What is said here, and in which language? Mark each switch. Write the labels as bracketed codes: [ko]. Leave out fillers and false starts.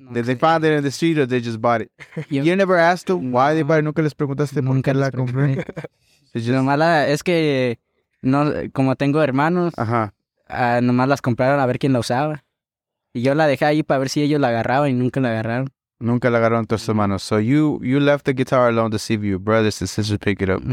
[en] No, did they find it in the street or they just bought it? Yo, you never asked them why they bought it? [es] ¿Nunca les preguntaste nunca les la compré? [en] Just... [es] Nomás la, es que, no, como tengo hermanos. Ajá. Nomás las compraron a ver quién la usaba. Y yo la dejé ahí para ver si ellos la agarraban y nunca la agarraron. Nunca la agarraron tus hermanos. [en] So you left the guitar alone to see if your brothers and sisters pick it up, mm-hmm.